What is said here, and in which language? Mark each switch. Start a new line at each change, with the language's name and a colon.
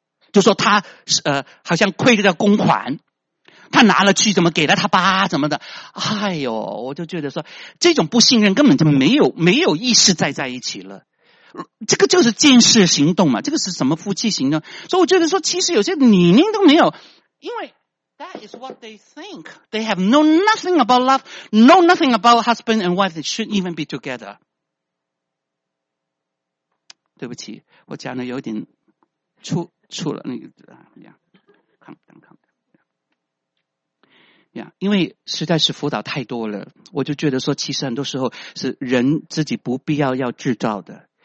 Chinese: 就说他好像亏了公款，他拿了去怎么给了他爸怎么的，哎呦，我就觉得说这种不信任根本就没有意识在一起了，这个就是见识行动嘛，这个是什么夫妻行动？所以我觉得说其实有些理念都没有，因为
English: that is what they think they have know nothing about love know nothing about husband and wife they shouldn't even be together。
Chinese: 对不起，我讲的有点出了那个呀，看呀，因为实在是辅导太多了，我就觉得说，其实很多时候是人自己不必要制造的。